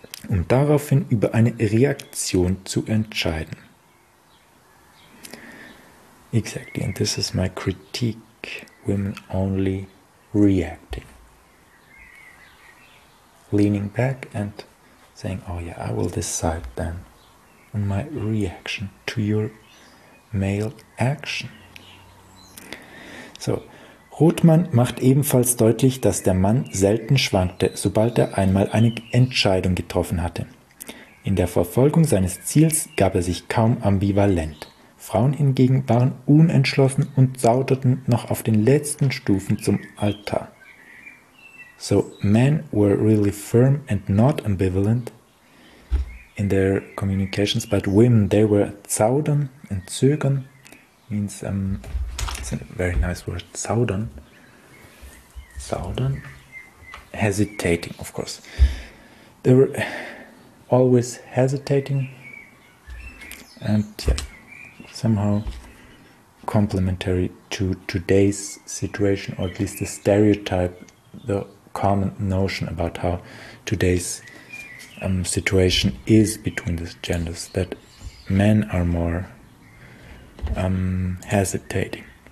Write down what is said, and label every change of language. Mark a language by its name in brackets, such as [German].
[German] Um daraufhin über eine Reaktion zu entscheiden. [English] Exactly, and this is my critique. Women only reacting. Leaning back and saying, oh yeah, I will decide then on my reaction to your male action. [German] So, Rothmann macht ebenfalls deutlich, dass der Mann selten schwankte, sobald er einmal eine Entscheidung getroffen hatte. In der Verfolgung seines Ziels gab er sich kaum ambivalent. Frauen hingegen waren unentschlossen und zauderten noch auf den letzten Stufen zum Altar. [English] So men were really firm and not ambivalent in their communications, but women, they were zaudern and zögern, means, it's a very nice word, zaudern. Zaudern, hesitating, of course. They were always hesitating and, yeah, somehow complementary to today's situation, or at least the stereotype, the common notion about how today's situation is between the genders, that men are more hesitating.